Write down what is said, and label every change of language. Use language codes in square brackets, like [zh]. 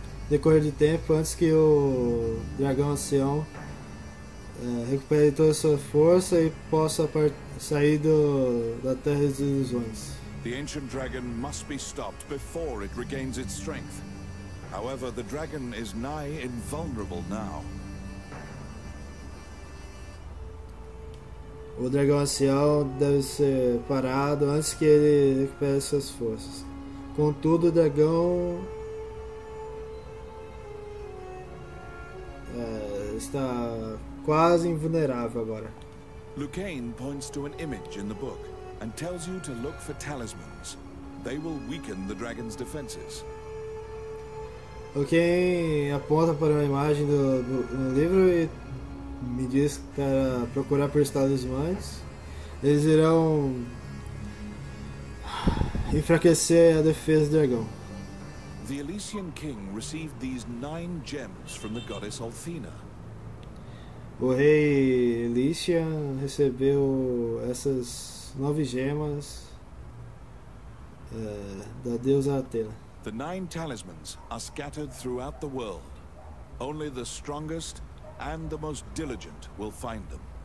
[pt] Decorrer de tempo antes que o dragão ancião recupere toda a sua força e possa sair da terra das ilusões. [en] The ancient dragon must be stopped before it regains its strength. However, the dragon is nigh invulnerable now. [pt] O dragão ancião deve ser parado antes que ele recupere suas forças. Contudo, o dragão está quase invulnerável agora. [en] Lucane points to an image in the book and tells you to look for talismans. They will weaken the dragon's defenses. [pt] Lucane aponta para uma imagem do livro e me diz para procurar por talismãs. Eles irão enfraquecer a defesa do dragão. [en] The Elysian King received these 9 gems from the goddess Althena. [pt] O rei Elysian recebeu essas 9 gemas da deusa Athena. [en] The 9 talismans are scattered throughout the world. Only the strongest and the most diligent will find them.